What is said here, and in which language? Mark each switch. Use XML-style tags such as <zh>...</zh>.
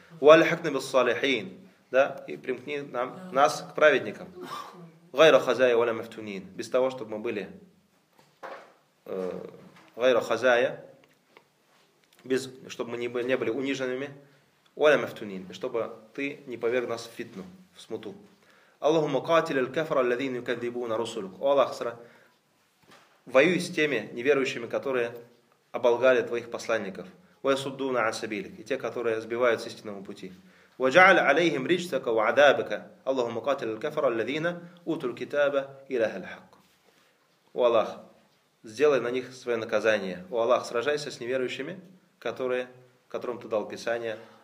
<ar>وَأَلْحِقْنَا بِالصَّالِحِينَ</ar> <ru>да, и примкни нас к праведникам.</ru> <ar>غير خزايا ولا مفتونين.</ar> <ru>Без того, чтобы мы были</ru> <ar>غير خزايا,</ar> <ru>без чтобы мы не были униженными,</ru> <ar>ولا مفتونين,</ar> <ru>чтобы ты не поверг нас в фитну, в смуту.</ru> <ar>اللهم قاتل الكفر الذين يكذبون رسلك.</ar> <ru>О Аллах, воюй с теми неверующими, которые оболгали твоих посланников.</ru> <ar>ويصدون عن سبيلك,</ar> <ru>и те, которые сбивают с истинного пути.</ru> <ar>وجعل عليهم رجسك وعذابك اللهم قاتل الكفر الذين اوتوا الكتاب اله الحق.</ar> <ru>О Аллах, сделай на них свое наказание. О Аллах, сражайся с неверующими, которым ты дал писание.</ru>